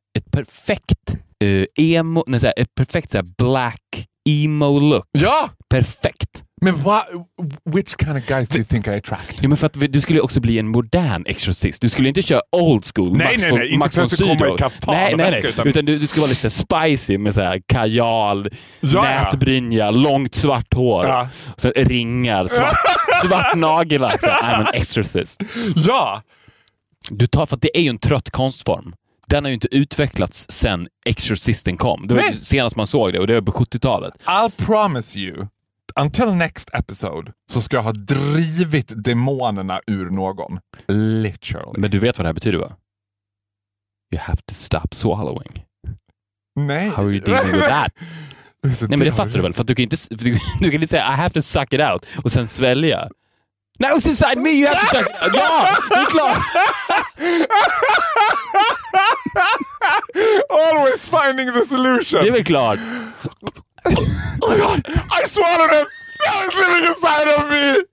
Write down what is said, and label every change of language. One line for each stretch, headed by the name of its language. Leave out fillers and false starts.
Swedish: Ett perfekt emo, nej, såhär, ett perfekt såhär,
English: black emo look.
Swedish: Ja. Perfekt. Men
English: which kind of guys do you think I attract?
Swedish: Ja, men för att du skulle också bli en modern exorcist. Du skulle inte köra old school. Nej, Max nej, nej, Max inte för att komma i kaftan. Utan du ska vara lite spicy med såhär kajal, ja, nätbrynja, ja, långt svart hår. Ja. Och sen ringar, svart nagel. Alltså.
English: I'm an exorcist.
Swedish: Ja! Du tar, för att det är ju en trött konstform. Den har ju inte utvecklats sen exorcisten kom. Det var ju senast man såg det, och det var på 70-talet.
English: I'll promise you, until next episode,
Swedish: så ska jag ha drivit demonerna ur någon. Literally. Men du vet vad det här betyder, va?
English: You have to stop swallowing.
Swedish: Nej.
English: How are you dealing with that?
Swedish: Nej, men det fattar du väl? För att du kan inte säga
English: I have to suck it out
Swedish: och sen svälja.
English: No, it's inside me. You have to check.
Swedish: Ja, det är klart.
English: Always finding the solution.
Swedish: Det är väl klart.
English: Oh god, I swallowed it. Now it's living inside of me.